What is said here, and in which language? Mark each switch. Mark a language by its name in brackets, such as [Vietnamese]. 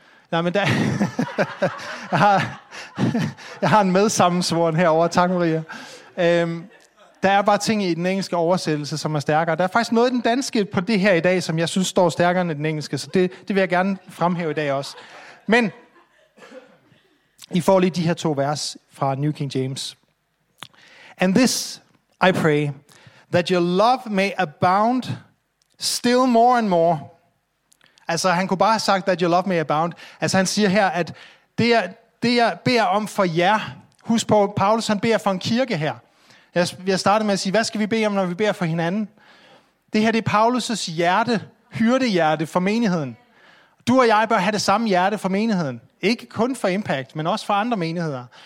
[Danish] Nej, men der, jeg har en medsammensvoren herovre, tak Maria, der er bare ting i den engelske oversættelse, som er stærkere, der er faktisk noget i den danske på det her i dag, som jeg synes står stærkere end den engelske, så det vil jeg gerne fremhæve i dag også, men I får lige de her to vers fra New King James. [English] And this I pray, that your love may abound still more and more. [Danish] Altså han kunne bare have sagt, [English] that your love may abound. [Danish] Altså han siger her, at det jeg beder om for jer. Husk på, Paulus han beder for en kirke her. Jeg startede med at sige, hvad skal vi bede om, når vi beder for hinanden? Det her det er Paulus' hjerte, hyrdehjerte for menigheden. Du og jeg bør have det samme hjerte for menigheden. Ikke kun for Impact, men også for andre menigheder.